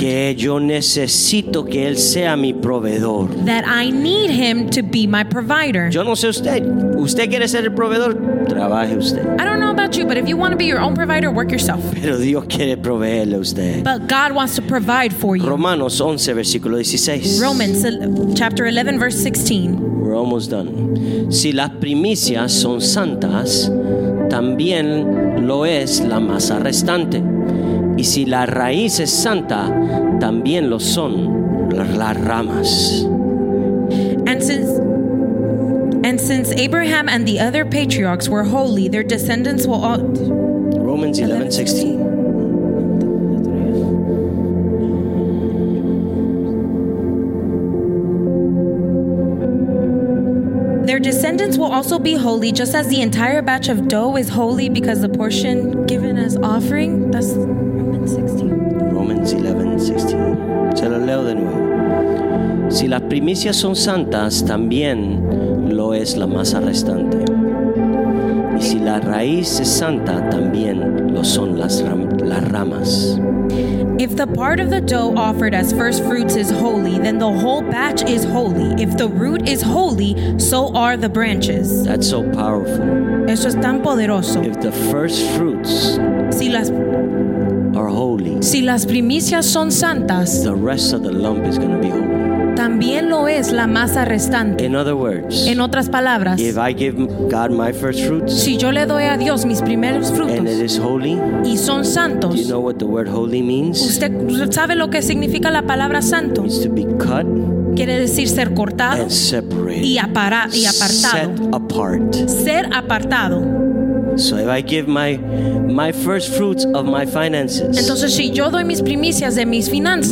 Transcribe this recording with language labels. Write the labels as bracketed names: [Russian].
[Spanish] que yo necesito que Él sea mi proveedor. [English] That I need Him to be my provider. [Spanish] Yo no sé usted. Usted quiere ser el proveedor, trabaje usted. [English] I don't know about you, but if you want to be your own provider, work yourself. [Spanish] Pero Dios quiere proveerle usted. [English] But God wants to provide for you. [Spanish] Romanos 11, versículo 16. [English] Romans chapter 11, verse 16. We're almost done. [Spanish] Si las primicias son santas, también lo es la masa restante. Y si la raíz es santa, también lo son las ramas. [English] And since Abraham and the other patriarchs were holy, their descendants will all... Romans 11:16. Their descendants will also be holy, just as the entire batch of dough is holy because the portion given as offering... That's Romans 16. Romans 11:16. [Spanish] Se lo leo de nuevo. Si las primicias son santas, también... lo es la masa restante. Y si la raíz es santa, también lo son las ramas. [English] If the part of the dough offered as first fruits is holy, then the whole batch is holy. If the root is holy, so are the branches. That's so powerful. [Spanish] Eso es tan poderoso. [English] If the first fruits [Spanish] si las, [English] are holy, [Spanish] si las primicias son santas, [English] the rest of the lump is going to be holy. [Spanish] También lo es la masa restante. [English] In other words, [Spanish] en otras palabras, [English] if I give God my first fruits, [Spanish] si yo le doy a Dios mis primeros frutos, [English] and it is holy, [Spanish] y son santos, [English] do you know what the word holy means? [Spanish] ¿Usted sabe lo que significa la palabra santo? [English] It means to be cut, [Spanish] quiere decir ser cortado, [English] and separated, [Spanish] y apartado, [English] set apart, [Spanish] ser apartado. [English] So if I give my first fruits of my finances, [Spanish] entonces si yo doy mis primicias de mis finanzas,